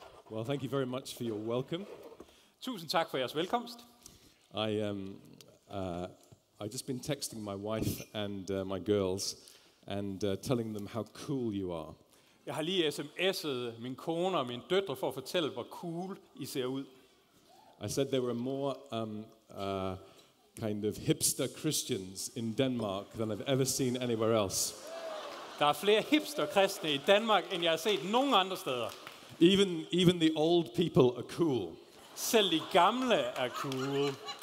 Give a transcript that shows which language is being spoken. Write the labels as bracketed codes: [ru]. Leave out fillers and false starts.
[en] Well, thank you very much for your welcome. [da] Tusind tak for jeres velkomst. [en] I've just been texting my wife and my girls and telling them how cool you are. [da] Jeg har lige SMS'et min kone og min døtre for at fortælle hvor cool I ser ud. [en] I said there were more kind of hipster Christians in Denmark than I've ever seen anywhere else. [da] Der er flere hipster-kristne i Danmark, end jeg har set nogen andre steder. [en] Even the old people are cool. [da] Selv de gamle er cool.